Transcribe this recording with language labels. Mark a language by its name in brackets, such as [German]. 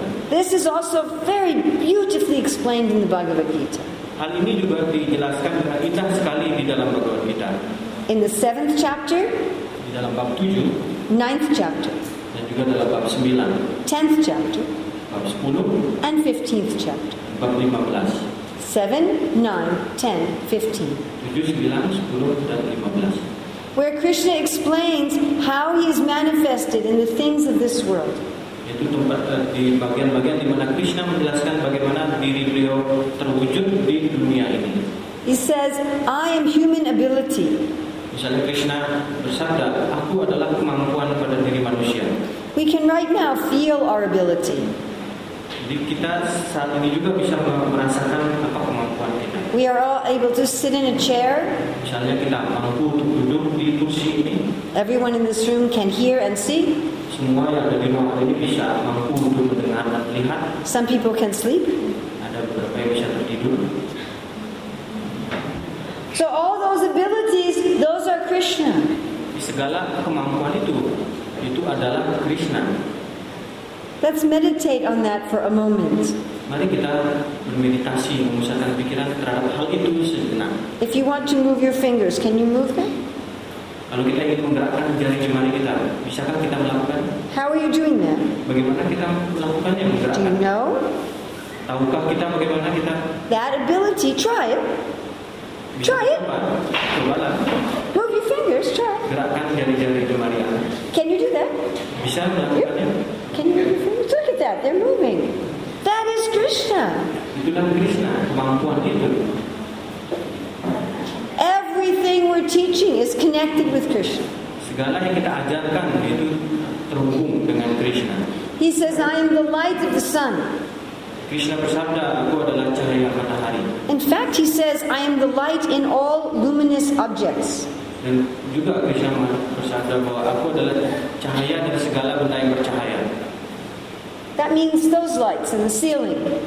[English] This is also very beautifully explained in the Bhagavad Gita. [Indonesian] Hal ini juga dijelaskan dengan indah sekali di dalam Bhagavad Gita. [English] In the 7th chapter, [Indonesian] di dalam bab 7, [English] 9th chapter, [Indonesian] dan juga dalam bab 9, [English] 10th chapter, [Indonesian] bab 10, [English] and 15th chapter, [Indonesian] bab 15. [English] 7, 9, 10, 15. [Indonesian] 7, 9, 10, dan 15. [English] Where Krishna explains how he is manifested in the things of this world. [Indonesian] Itu tempat di bagian-bagian di mana Krishna menjelaskan bagaimana diri beliau terwujud di dunia ini. [English] He says, "I am human ability." [Indonesian] Misalnya Krishna bersabda, "Aku adalah kemampuan pada diri manusia." [English] We can right now feel our ability. [Indonesian] Jadi kita saat ini juga bisa merasakan apa kemampuan kita. [English] We are all able to sit in a chair. [Indonesian] Misalnya kita mampu untuk duduk di kursi ini. [English] Everyone in this room can hear and see. [Indonesian] Semua yang ada di ruangan ini bisa mampu untuk mendengar dan melihat. [English] Some people can sleep. [Indonesian] Ada beberapa yang bisa tertidur. [English] So all those abilities, those are Krishna. [Indonesian] Segala kemampuan itu adalah Krishna. [English] Let's meditate on that for a moment. [Indonesian] Mari kita bermeditasi, memusatkan pikiran terhadap hal itu sejenak. [English] If you want to move your fingers, can you move them? [Indonesian] Kalau kita ingin menggerakkan jari-jari kita, bisakah kita melakukan? [English] How are you doing that? [Indonesian] Bagaimana kita melakukannya, menggerakkan? [English] Do you know? [Indonesian] Tahukah kita bagaimana kita? [English] That ability, try it. Try it. [Indonesian] Cobalah. [English] Move your fingers, try. [Indonesian] Gerakkan jari-jari. [English] Can you do that? [Indonesian] Bisa melakukannya? [English] Can you move your fingers? Look at that, they're moving. That is Krishna. [Indonesian] Itulah Krishna, kemampuan itu. [English] Everything we're teaching is connected with Krishna. [Indonesian] Segala yang kita ajarkan itu terhubung dengan Krishna. [English] He says, "I am the light of the sun." [Indonesian] Krishna bersabda, "Aku adalah cahaya matahari." [English] In fact, he says, "I am the light in all luminous objects." [Indonesian] Dan juga Krishna bersabda bahwa aku adalah cahaya dari segala benda yang bercahaya. [English] That means those lights in the ceiling.